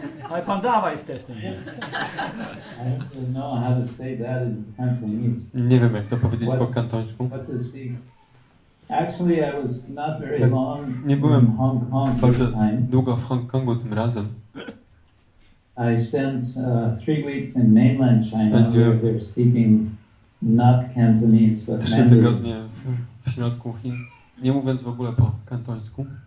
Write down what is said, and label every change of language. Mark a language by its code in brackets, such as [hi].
[en] My Pandava is testing me. I don't know how to say that in Cantonese. [pl] Nie wiem, jak to powiedzieć po kantońsku. [en] Actually, I was not very long in Hong Kong this time. [pl] Długo w Hongkongu tym razem. [en] I spent 3 weeks in mainland China where they're speaking not Cantonese, but Mandarin. [pl] 3 tygodnie w środku Chin. Nie mówiąc w ogóle po kantońsku.